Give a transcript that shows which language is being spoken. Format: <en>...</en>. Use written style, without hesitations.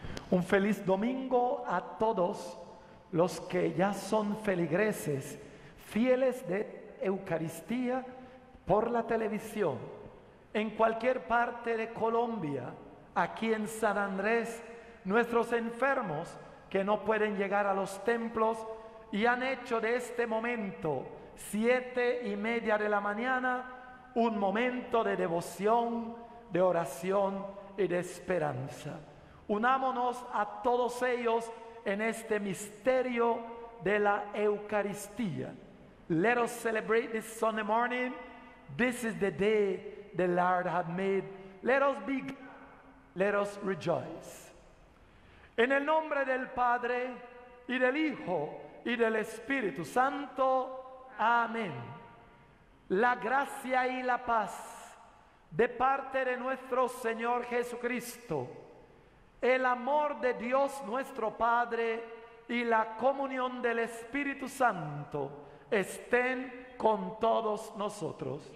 <es>Un feliz domingo a todos los que ya son feligreses, fieles de Eucaristía por la televisión, en cualquier parte de Colombia, aquí en San Andrés, nuestros enfermos que no pueden llegar a los templos, y han hecho de este momento, 7:30 de la mañana, un momento de devoción, de oración y de esperanza. Unámonos a todos ellos en este misterio de la Eucaristía.</es> <en>Let us celebrate this Sunday morning. This is the day the Lord has made. Let us be glad. Let us rejoice.</en> <es>En el nombre del Padre y del Hijo y del Espíritu Santo. Amén. La gracia y la paz de parte de nuestro Señor Jesucristo, el amor de Dios nuestro Padre y la comunión del Espíritu Santo estén con todos nosotros.</es>